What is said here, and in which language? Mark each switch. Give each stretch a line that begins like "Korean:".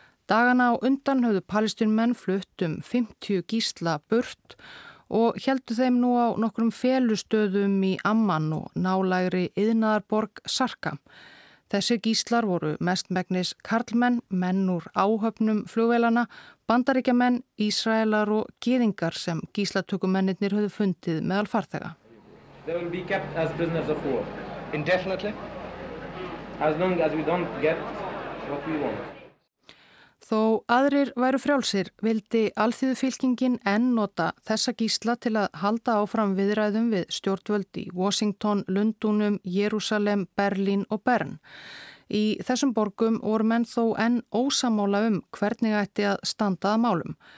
Icelandic: Dagana á undan höfðu palestínumenn flutt 50 gísla burt og héldu þeim nú á nokkrum felustöðum í Amman og nálægri iðnaðarborg Sarka. Þessir gíslar voru mestmegnis karlmenn, menn úr áhöfnum flugvélana, bandaríkjamenn, Ísraelar og gyðingar sem gíslatökumennirnir höfðu fundið meðal farþega.
English: They will be kept as prisoners of war. Indefinitely. As long as we don't get what we want.
Icelandic: Þó aðrir væru frjálsir vildi alþýðufylkingin enn nota þessa gísla til að halda áfram viðræðum við stjórnvöld í Washington, Lundunum, Jerusalem, Berlín og Bern. Í þessum borgum voru menn þó enn ósammála hvernig ætti að standa að málum.